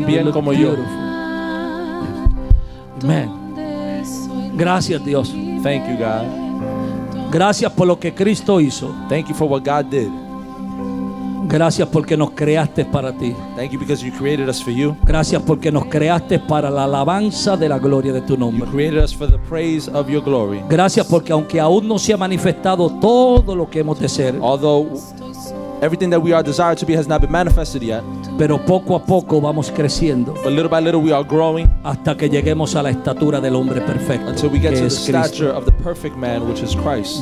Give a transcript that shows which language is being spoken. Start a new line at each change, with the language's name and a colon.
English: you
Spanish: bien
English: look
Spanish: como
English: beautiful.
Spanish: Yo. Man. Gracias, Dios.
English: Thank you, God.
Spanish: Gracias por lo que Cristo hizo.
English: Thank you for what God did.
Spanish: Gracias porque nos creaste para ti.
English: Thank you because you created us for you.
Spanish: Gracias porque nos creaste para la alabanza de la gloria de tu nombre.
English: You created us for the praise of your glory.
Spanish: Gracias porque aunque aún no se ha manifestado todo lo que hemos de ser,
English: although everything that we are desired to be has not been manifested yet,
Spanish: pero poco a poco vamos creciendo.
English: But little by little we are growing
Spanish: hasta que lleguemos a la estatura del hombre perfecto.
English: Until we get to the stature of the perfect man, which is Christ.